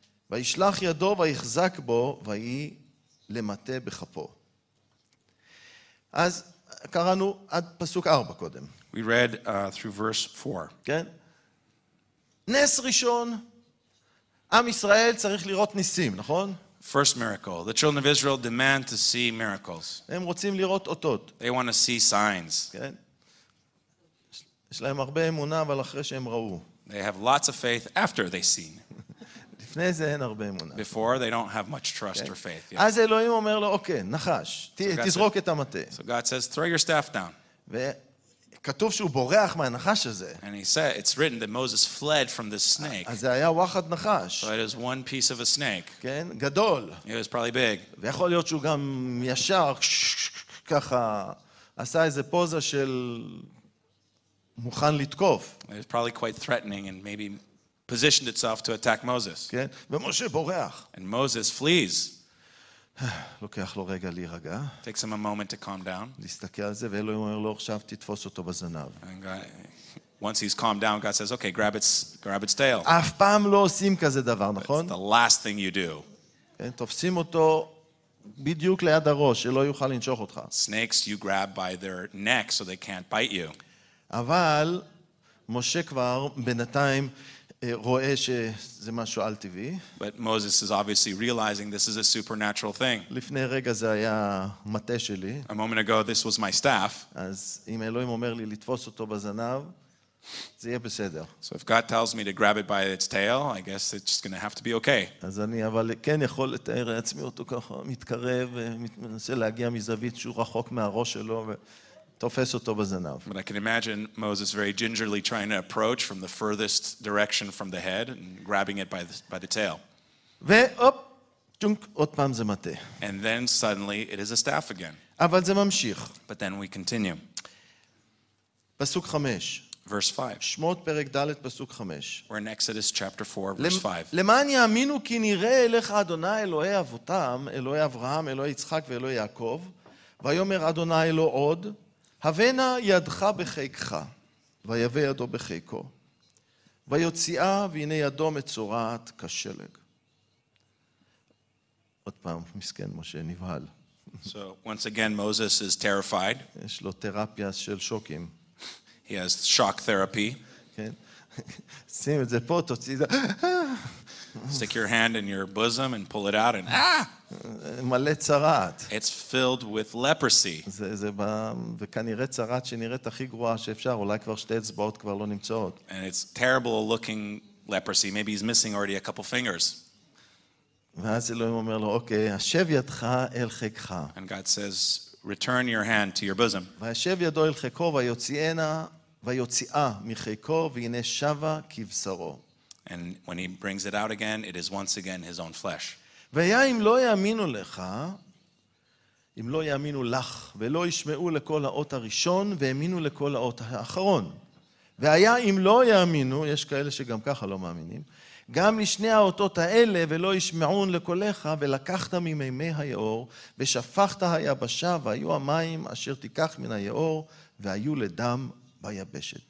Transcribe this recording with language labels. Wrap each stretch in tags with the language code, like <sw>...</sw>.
<he>וישלח ידו ויחזק בו ויהי למטה בכפו. אז קראנו עד פסוק 4 קודם.</he> <en>We read through verse 4.</en> <he>כן? נס ראשון, עם ישראל צריך לראות ניסים, נכון?</he> <en>First miracle. The children of Israel demand to see miracles.</en> <he>הם רוצים לראות אותות.</he> <en>They want to see signs.</en> <he>כן? יש להם הרבה אמונה, אבל אחרי שהם ראו.</he> <en>They have lots of faith after they seen.</en> <he>לפני זה אין הרבה אמונה.</he> <en>Before they don't have much trust or faith.</en> <he>אז אלוהים אומר לו, אוקיי, נחש, תזרוק את המטה.</he> <en>So God says, throw your staff down.</en> <he>כתוב שהוא בורח מהנחש הזה.</he> <en>And he said, it's written that Moses fled from this snake.</en> <he>אז זה היה וחד נחש.</he> <en>So it is one piece of a snake.</en> <he>כן, גדול.</he> <en>It was probably big.</en> <he>ויכול להיות שהוא גם ישר ככה עשה איזה פוזה של מוכן לתקוף.</he> <en>It was probably quite threatening and maybe positioned itself to attack Moses.</en> <he>כן, ומשה בורח.</he> <en>And Moses flees.</en> <he>לוקח לו רגע להירגע.</he> <en>Takes him a moment to calm down.</en> <he>להסתכל על זה, ואלוהים אומר לו, עכשיו תתפוס אותו בזנב.</he> <en>Once he's calmed down, God says, okay, grab its tail.</en> <he>אף פעם לא עושים כזה דבר, נכון?</he> <en>It's the last thing you do.</en> <he>כן, תופסים אותו בדיוק ליד הראש, שלא יוכל לנשוך אותך.</he> <en>Snakes you grab by their neck so they can't bite you.</en> <he>אבל משה כבר בינתיים רואה שזה משהו על-טבעי.</he> <en>But Moses is obviously realizing this is a supernatural thing.</en> <he>לפני רגע זה היה מטה שלי.</he> <en>A moment ago, this was my staff.</en> <he>אז אם אלוהים אומר לי לתפוס אותו בזנב, זה יהיה בסדר.</he> <en>So if God tells me to grab it by its tail, I guess it's just going to have to be okay.</en> <he>אז אני אבל כן יכול לתאר לעצמי אותו ככה, מתקרב ומנסה להגיע מזווית שהוא רחוק מהראש שלו ו... תופס אותו בזנב.</he> <en>But I can imagine Moses very gingerly trying to approach from the furthest direction from the head and grabbing it by the tail.</en> <he>והופ, טונק, עוד פעם זה מטה.</he> <en>And then suddenly it is a staff again.</en> <he>אבל זה ממשיך.</he> <en>But then we continue.</en> <he>פסוק 5.</he> <en>Verse 5.</en> <he>שמות פרק ד' פסוק 5.</he> <en>We're in Exodus chapter 4, verse 5.</en> <he>למען יאמינו כי נראה אליך אדוני אלוהי אבותם, אלוהי אברהם, אלוהי יצחק ואלוהי יעקב, ויאמר אדוני אלו עוד, הבנה ידך בחיקך, ויבא ידו בחיקו, ויוציאה, והנה ידו מצורעת כשלג. עוד פעם, מסכן משה, נבהל.</he> <en>So, once again, Moses is terrified.</en> <he>יש לו תרפיה של שוקים.</he> <en>He has shock therapy.</en> <he>כן. שים את זה פה, תוציא את זה.</he> <en>Stick your hand in your bosom and pull it out and...</en> <he>מלא צרעת.</he> <en>It's filled with leprosy.</en> <he>זה בא, וכנראה צרעת שנראית הכי גרועה שאפשר, אולי כבר שתי אצבעות כבר לא נמצאות.</he> <en>And it's terrible looking leprosy. Maybe he's missing already a couple fingers.</en> <he>ואז אלוהים אומר לו, אוקיי, השב ידך אל חיקך.</he> <en>And God says, return your hand to your bosom.</en> <he>והשב ידו אל חיקו ויוציאה מחיקו, והנה שבה כבשרו.</he> <en>And when he brings it out again, it is once again his own flesh.</en> <he>והיה אם לא יאמינו לך, אם לא יאמינו לך, ולא ישמעו לכל האות הראשון, והאמינו לכל האות האחרון. והיה אם לא יאמינו, יש כאלה שגם ככה לא מאמינים, גם לשני האותות האלה, ולא ישמעון לקולך, ולקחת ממימי היאור, ושפכת היבשה, והיו המים אשר תיקח מן היאור, והיו לדם ביבשת.</he>